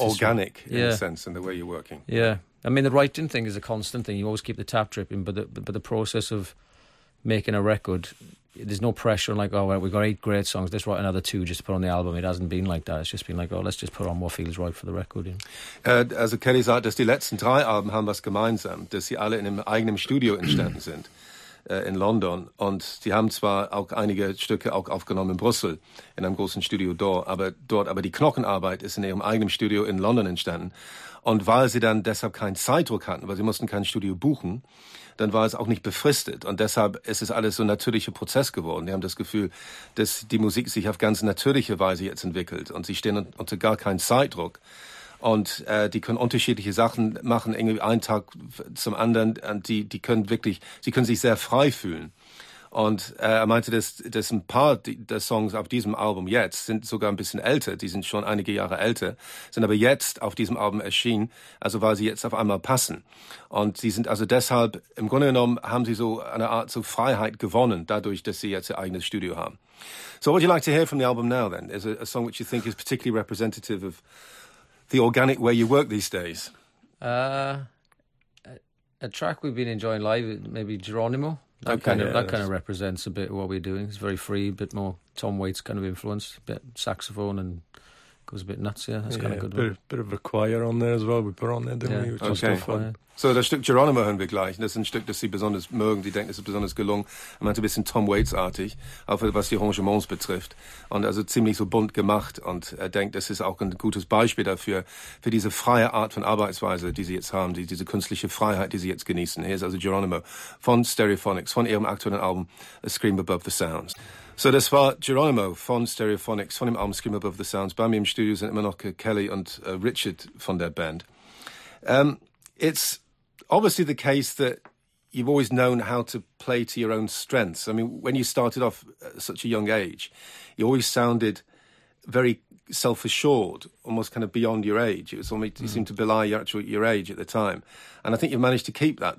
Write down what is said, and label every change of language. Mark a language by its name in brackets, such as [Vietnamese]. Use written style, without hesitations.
[English] organic in a sense in the way you're working. Yeah. I mean, the writing thing is a constant thing. You always keep the tap dripping, but the process of making a record, there's no pressure on like, oh, we've got 8 great songs, let's write another 2 just to put on the album. It hasn't been like that. It's just been like, oh, let's just put on what feels right for the record. [German] Also Kelly sagt, dass die letzten 3 Alben haben was gemeinsam, dass sie alle in einem eigenen Studio entstanden sind in London. Und sie haben zwar auch einige Stücke auch aufgenommen in Brüssel, in einem großen Studio dort, aber die Knochenarbeit ist in ihrem eigenen Studio in London entstanden. Und weil sie dann deshalb keinen Zeitdruck hatten, weil sie mussten kein Studio buchen, dann war es auch nicht befristet. Und deshalb ist es alles so ein natürlicher Prozess geworden. Die haben das Gefühl, dass die Musik sich auf ganz natürliche Weise jetzt entwickelt. Und sie stehen unter gar keinen Zeitdruck. Und die können unterschiedliche Sachen machen, irgendwie einen Tag zum anderen. Und die können wirklich, sie können sich sehr frei fühlen. Und er meinte, dass ein paar der Songs auf diesem Album jetzt sind sogar ein bisschen älter, die sind schon einige Jahre älter, sind aber jetzt auf diesem Album erschienen, also weil sie jetzt auf einmal passen. Und sie sind also deshalb, im Grunde genommen, haben sie so eine Art so Freiheit gewonnen, dadurch, dass sie jetzt ihr eigenes Studio haben. [English] So what would you like to hear from the album now then? Is a song which you think is particularly representative of the organic way you work these days? A track we've been enjoying live, maybe Geronimo. That kind of represents a bit of what we're doing. It's very free, a bit more Tom Waits kind of influenced, a bit saxophone and goes a bit nuts, yeah. That's kind of good. Bit of a choir on there as well. We put on there, didn't we? Which was fun. [German] So das Stück Geronimo hören wir gleich. Das ist ein Stück, das Sie besonders mögen. Sie denken, es ist besonders gelungen. Man hat ein bisschen Tom Waits-artig, auch was die Arrangements betrifft. Und also ziemlich so bunt gemacht. Und er denkt, das ist auch ein gutes Beispiel dafür, für diese freie Art von Arbeitsweise, die Sie jetzt haben, diese künstliche Freiheit, die Sie jetzt genießen. Hier ist also Geronimo von Stereophonics, von Ihrem aktuellen Album A Scream Above the Sounds. So, das war Geronimo von Stereophonics, von dem Album Scream Above the Sounds. Bei mir im Studio sind immer noch Kelly und Richard von der Band. [English] It's obviously the case that you've always known how to play to your own strengths. I mean, when you started off at such a young age, you always sounded very self-assured, almost kind of beyond your age. It was almost, you seemed to belie your age at the time. And I think you've managed to keep that.